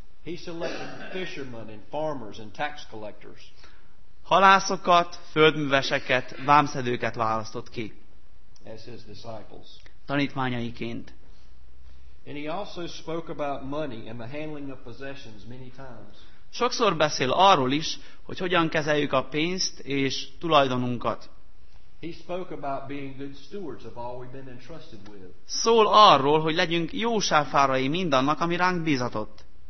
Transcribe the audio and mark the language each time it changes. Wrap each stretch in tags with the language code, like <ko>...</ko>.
<en>He selected fishermen and farmers and tax collectors.</en> <hu>Halászokat, földműveseket, vámszedőket választott ki.</hu> <en>As his disciples.</en> <hu>Tanítványaiként.</hu> <en>And he also spoke about money and the handling of possessions many times.</en> <hu>Sokszor beszél arról is, hogy hogyan kezeljük a pénzt és tulajdonunkat.</hu> <en>He spoke about being good stewards of all we've been entrusted with.</en> <hu>Szól arról, hogy legyünk jó sávfárai mindannak, ami ránk bízatott.</hu>